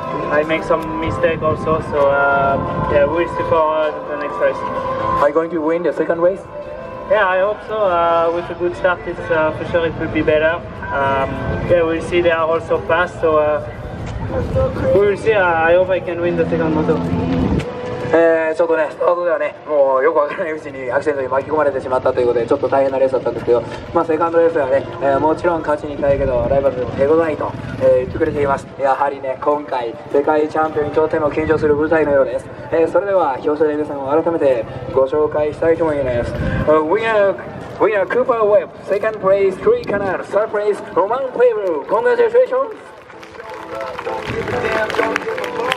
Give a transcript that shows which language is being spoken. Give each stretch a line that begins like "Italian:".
English: I make some mistake also, so we'll see for the next race. Are you going to win the second race? Yeah, I hope so. With a good start, it's for sure it will be better. We'll see, they are also fast, so... We'll see. I hope I can win the second moto.
Japanese: ちょっとね、スタートではね、もうよくわからないうちにアクシデントに巻き込まれてしまったということで、ちょっと大変なレースだったんですけど、まあ、セカンドレースはね、もちろん勝ちに行きたいけど、ライバルでも手ごわいと、言ってくれています。やはりね、今回、世界チャンピオンにとっても緊張する舞台のようです。それでは、表彰台の皆さんを改めてご紹介したいと思います。
English: We are Cooper Webb, second place, Trey Canard, third place, Roman Pueblo. Congratulations! Don't give a damn, don't give a damn.